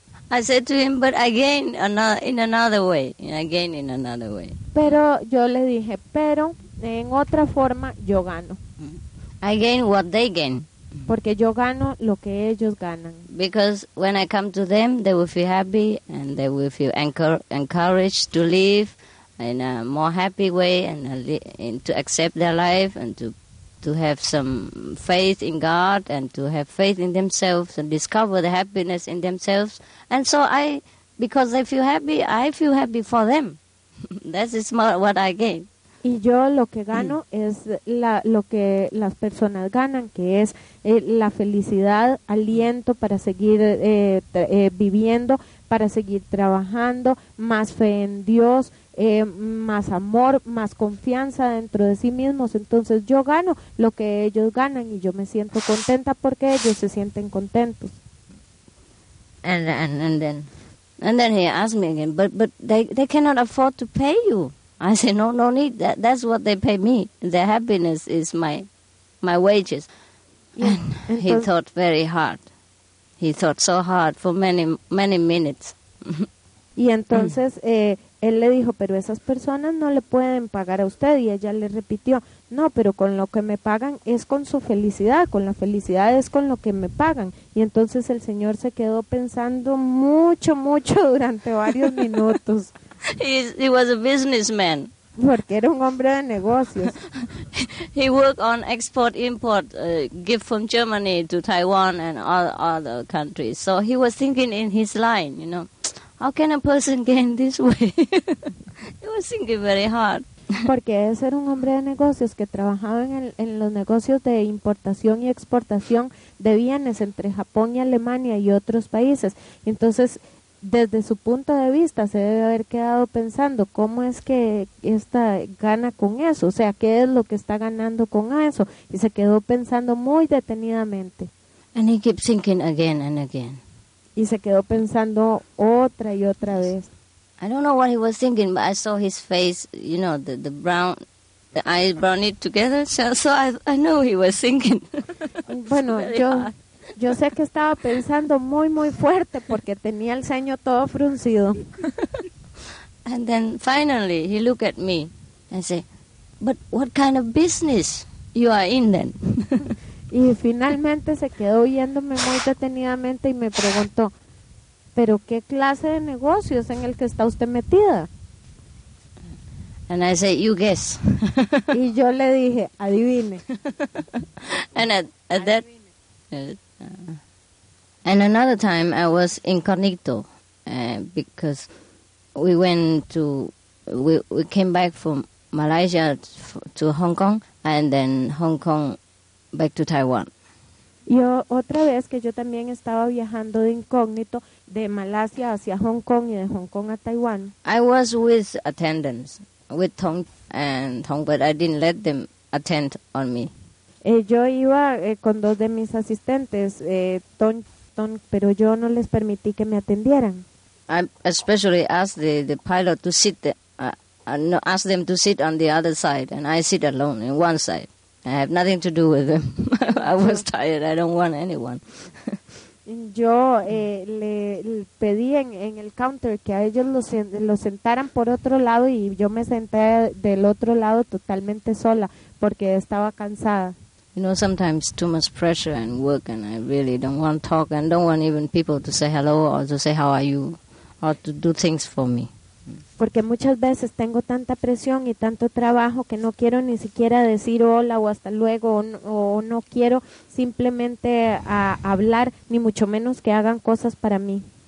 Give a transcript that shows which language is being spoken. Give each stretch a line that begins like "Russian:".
English: I said to him, but again, in another way.
Spanish: Pero yo le dije, pero en otra forma yo gano.
English: I gain what they gain.
Spanish: Porque yo gano lo que ellos ganan.
English: Because when I come to them, they will feel happy and they will feel encouraged to live in a more happy way and to accept their life and to have some faith in God and to have faith in themselves and discover the happiness in themselves. And so I, because they feel happy, I feel happy for them. That is what I gain.
Spanish: Y yo lo que gano es lo que las personas ganan, que es la felicidad, aliento para seguir viviendo, para seguir trabajando, más fe en Dios. Más amor, más confianza dentro de sí mismos. Entonces yo gano lo que ellos ganan y yo me siento contenta porque ellos se sienten contentos.
English: And then he asked me again, but they cannot afford to pay you. I said no need. That's what they pay me. Their happiness is my wages. And he thought very hard. He thought so hard for many minutes.
Spanish: Y entonces él le dijo, pero esas personas no le pueden pagar a usted. Y ella le repitió, no, pero con lo que me pagan es con su felicidad, con la felicidad es con lo que me pagan. Y entonces el señor se quedó pensando mucho, mucho durante varios minutos.
English: He was a businessman.
Spanish: Porque era un hombre de negocios.
English: He worked on export-import, gift from Germany to Taiwan and all other countries. So he was thinking in his line, you know. How can a person gain this way? He was thinking very hard.
Spanish: Porque ese era un hombre de negocios que trabajaba en los negocios de importación y exportación de bienes entre Japón y Alemania y otros países. Entonces, desde su punto de vista, se debe haber quedado pensando cómo es que esta gana con eso. O sea, ¿qué es lo que está ganando con eso? Y se quedó pensando muy detenidamente.
English: And he kept thinking again and again.
Spanish: Y se quedó pensando otra y otra vez.
English: I don't know what he was thinking, but I saw his face, you know, the brown, the eyes brown it together, so I know he was thinking.
Spanish: Bueno, yo sé que estaba pensando muy, muy fuerte porque tenía el ceño todo fruncido.
English: And then finally he looked at me and said, but what kind of business you are in then?
Spanish: Y finalmente se quedó viéndome muy detenidamente y me preguntó, Pero ¿qué clase de negocios en el que está usted metida?
English: And I said, you guess.
Spanish: Y yo le dije, adivine.
English: And and another time I was incognito because we went to we came back from Malaysia to Hong Kong and then Hong Kong back to Taiwan.
Spanish: Yo otra vez que yo también estaba viajando de incógnito de Malasia hacia Hong Kong y de Hong Kong a Taiwán.
English: I was with attendants, with Tong and Tong, but I didn't let them attend on me.
Spanish: Yo iba con dos de mis asistentes, Tong, pero yo no les permití que me atendieran.
English: I especially asked the pilot to sit, asked them to sit on the other side, and I sit alone in one side. I have nothing to do with them. I was tired. I don't want anyone.
Spanish: Yo le pedí en el counter que a ellos los sentaran por otro lado y yo me senté del otro lado totalmente sola porque estaba cansada.
English: You know, sometimes too much pressure and work and I really don't want to talk and don't want even people to say hello or to say how are you or to do things for me.
Spanish: Porque muchas veces tengo tanta presión y tanto trabajo que no quiero ni siquiera decir hola o hasta luego o no quiero simplemente hablar ni mucho menos que hagan cosas para mí.